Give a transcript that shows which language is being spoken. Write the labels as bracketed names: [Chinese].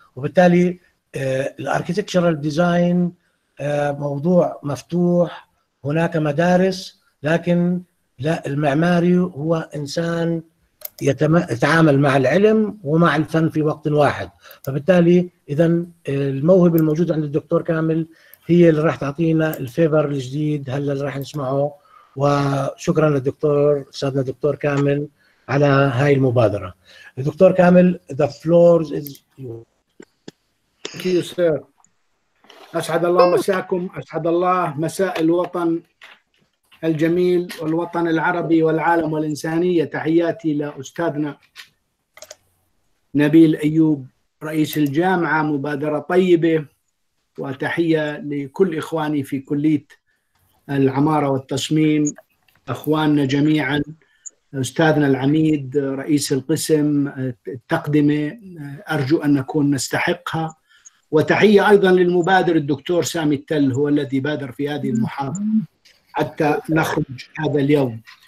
[Arabic] وبالتالي الاركيتكتشرال ديزاين موضوع مفتوح، هناك مدارس، لكن لا، المعماري هو انسان يتعامل مع العلم ومع الفن في وقت واحد. فبالتالي اذا الموهبة الموجودة عند الدكتور كامل هي اللي راح تعطينا الفيبر الجديد هلا اللي راح نسمعه. وشكرا للدكتور سادنا الدكتور كامل على هاي المبادرة. [English] الدكتور كامل the floor is yours. [Arabic] أسعد الله مساكم، أسعد الله مساء الوطن الجميل والوطن العربي والعالم والإنسانية. تحياتي لأستاذنا نبيل أيوب رئيس الجامعة، مبادرة طيبة، وتحية لكل إخواني في كلية العمارة والتصميم، أخواننا جميعا، أستاذنا العميد رئيس القسم، التقدمة أرجو أن نكون نستحقها، وتحية أيضا للمبادر الدكتور سامي التل، هو الذي بادر في هذه المحاضرة حتى نخرج هذا اليوم.